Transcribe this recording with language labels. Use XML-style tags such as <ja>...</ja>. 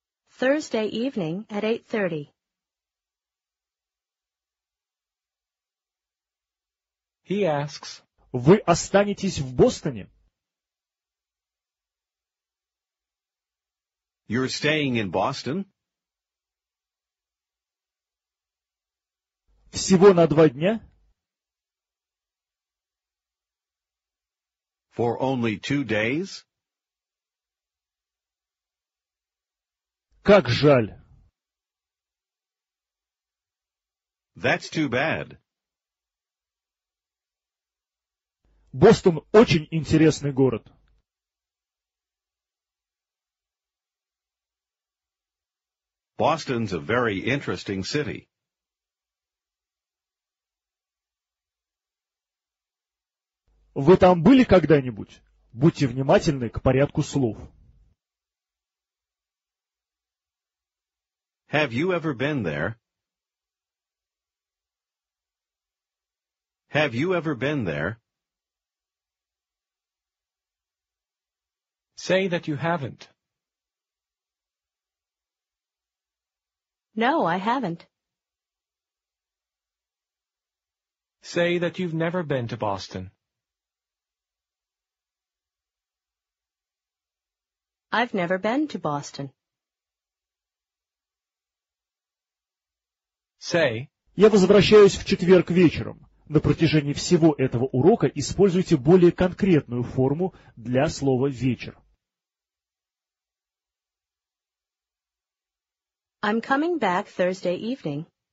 <en>Thursday evening at 8:30. He asks,</en> <ru>вы останетесь в Бостоне?</ru> <en>You're staying in Boston?</en> <ru>Всего на 2 дня?</ru> <en>For only 2 days?</en> <ru>Как жаль.</ru> <en>That's too bad.</en> <ru>Бостон очень интересный город.</ru> <en>Boston's a very interesting city.</en> <ru>Вы там были когда-нибудь? Будьте внимательны к порядку слов.</ru> <en>Have you ever been there? Have you ever been there? Say that you haven't. No, I haven't. Say that you've never been to Boston. I've never been to Boston. Say,</en> <ru>я возвращаюсь в четверг вечером. На протяжении всего этого урока используйте более конкретную форму для слова «вечер».</ru> <en>I'm coming back Thursday evening.</en>